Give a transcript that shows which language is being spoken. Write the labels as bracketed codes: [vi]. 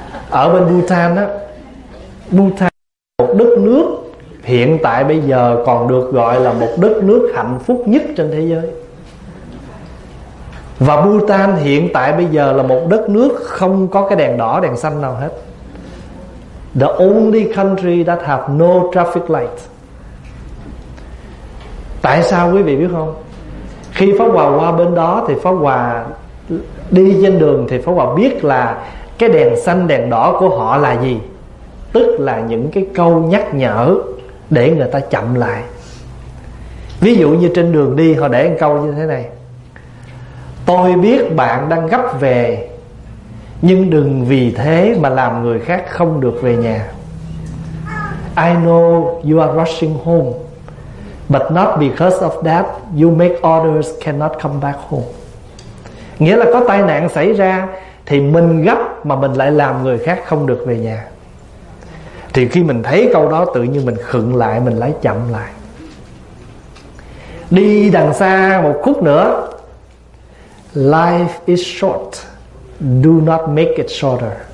[vi] Ở bên Bhutan á, Bhutan một đất nước hiện tại bây giờ còn được gọi là một đất nước hạnh phúc nhất trên thế giới. Và Bhutan hiện tại bây giờ là một đất nước không có cái đèn đỏ đèn xanh nào hết. [en] The only country that have no traffic light. [vi] Tại sao quý vị biết không? Khi Pháp Hòa qua bên đó thì Pháp Hòa đi trên đường thì Pháp Hòa biết là cái đèn xanh đèn đỏ của họ là gì, tức là những cái câu nhắc nhở để người ta chậm lại. Ví dụ như trên đường đi họ để một câu như thế này: tôi biết bạn đang gấp về, nhưng đừng vì thế mà làm người khác không được về nhà. [en] I know you are rushing home, but not because of that you make others cannot come back home. [vi] Nghĩa là có tai nạn xảy ra thì mình gấp mà mình lại làm người khác không được về nhà. Thì khi mình thấy câu đó tự nhiên mình khựng lại, mình lái chậm lại. Đi đằng xa một khúc nữa: [en] life is short, do not make it shorter.